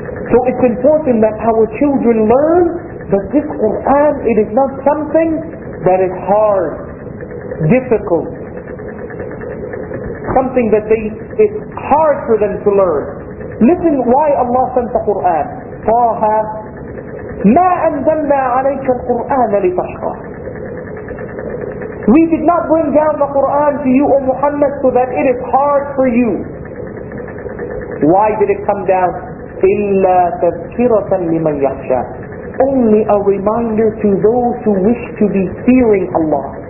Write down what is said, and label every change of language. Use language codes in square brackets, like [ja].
[en] So it's important that our children learn that this Qur'an, it is not something that is hard, difficult, something that they, it's hard for them to learn. Listen why Allah sent the Qur'an. [ar] طه ما أنزلنا عليك القرآن لتشقى. [en] We did not bring down the Qur'an to you, O Muhammad, so that it is hard for you. Why did it come down? [ar] إِلَّا تَذْكِرَةً لِمَنْ يَخْشَى. [en] Only a reminder to those who wish to be fearing Allah.